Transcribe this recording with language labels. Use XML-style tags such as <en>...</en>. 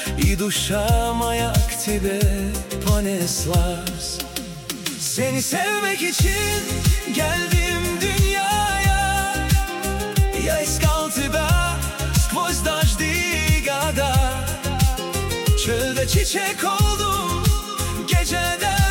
<ru>И душа моя к тебе понеслась.</ru> <tr>Seni sevmek için geldim dünyaya.</tr> <ru>Я искал тебя сквозь дожди и года.</ru> <tr>Çölde çiçek oldum gecede.</tr>